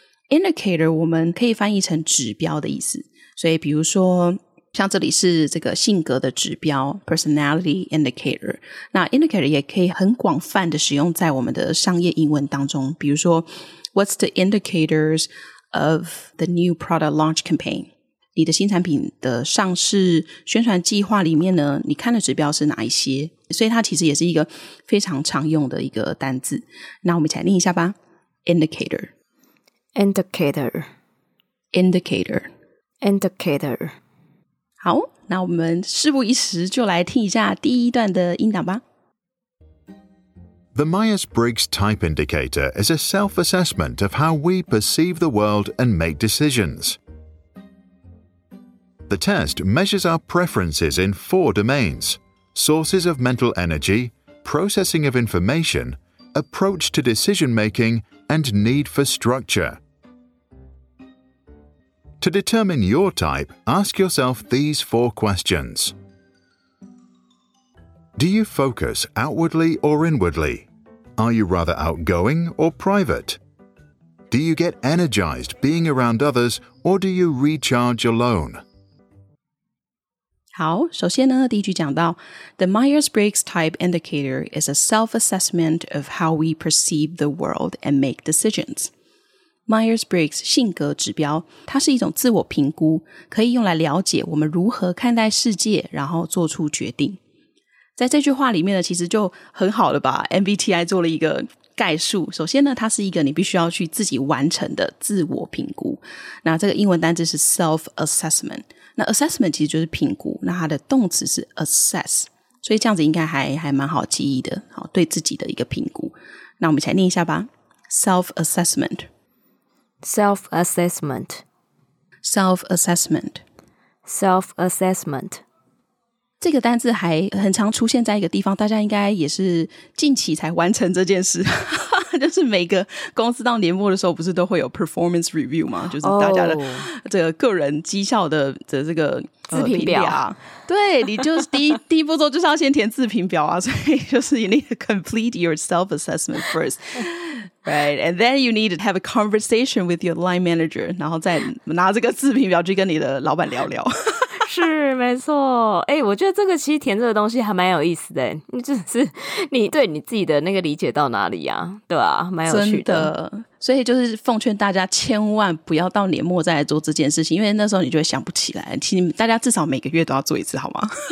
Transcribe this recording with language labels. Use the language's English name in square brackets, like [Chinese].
[Chinese] indicator 我们可以翻译成指标的意思，所以比如说像这里是这个性格的指标 [English] personality indicator， [Chinese] 那 indicator 也可以很广泛的使用在我们的商业英文当中，比如说 [English] what's the indicators of the new product launch campaign， [Chinese] 你的新产品的上市宣传计划里面呢，你看的指标是哪一些，所以它其实也是一个非常常用的一个单字。那我们一起来念一下吧。 [English] Indicator Indicator Indicator Indicator [Chinese] 好，那我们事不宜迟，就来听一下第一段的音档吧。 [English] The Myers-Briggs Type Indicator is a self-assessment of how we perceive the world and make decisions. The test measures our preferences in four domains: sources of mental energy, processing of information, approach to decision-making, and need for structure. To determine your type, ask yourself these four questions. Do you focus outwardly or inwardly? Are you rather outgoing or private? Do you get energized being around others, or do you recharge alone? [Chinese] 好，首先呢，第一句讲到 [English] The Myers-Briggs Type Indicator is a self-assessment of how we perceive the world and make decisions. [Chinese] Myers-Briggs 性格指标，它是一种自我评估，可以用来了解我们如何看待世界，然后做出决定。在这句话里面呢，其实就很好的把 MBTI 做了一个概述。首先呢，它是一个你必须要去自己完成的自我评估。那这个英文单字是 self-assessment。那 assessment 其实就是评估，那它的动词是 assess。所以这样子应该还蛮好记忆的，好，对自己的一个评估。那我们一起来念一下吧。 [English] Self-assessment. Self-assessment. Self-assessment. Self-assessment. [Chinese] 这个单字还很常出现在一个地方，大家应该也是近期才完成这件事，就是每个公司到年末的时候不是都会有 [English] performance review [Chinese] 吗？就是大家的这个个人绩效的这个自评表啊，对，你就是第一步骤就是要先填自评表啊，所以就是 [English] you need to complete your self-assessment first. Right, and then you need to have a conversation with your line manager, [Chinese] 然后再拿这个自评表去跟你的老板聊聊。是，没错。欸，我觉得这个其实填这个东西还蛮有意思的，就是你对你自己的那个理解到哪里啊，对啊，蛮有趣的。真的，所以就是奉劝大家千万不要到年末再来做这件事情，因为那时候你就会想不起来。其实大家至少每个月都要做一次好吗？